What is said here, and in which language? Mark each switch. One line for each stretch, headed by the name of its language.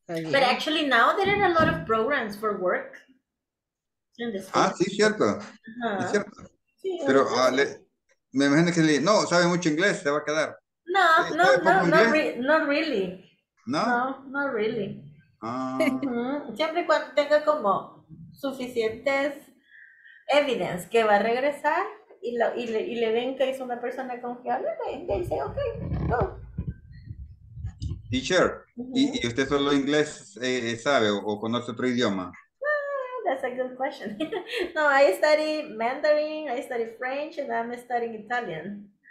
English: But actually now there are a lot of programs for work in this country.
Spanish: Ah, sí, cierto. Uh-huh. Sí, cierto. Sí, pero me imagino que le, no, sabe mucho inglés, se va a quedar.
English: No, not really. No, not really. Uh-huh.
Spanish: Siempre cuando tenga como suficientes evidence que va a regresar y le ven que es una persona confiable, le dice,
English: okay, go. Teacher, uh-huh.
Spanish: ¿Y usted solo inglés sabe o conoce otro idioma?
English: That's a good question. No, I study Mandarin, I study French, and I'm studying Italian.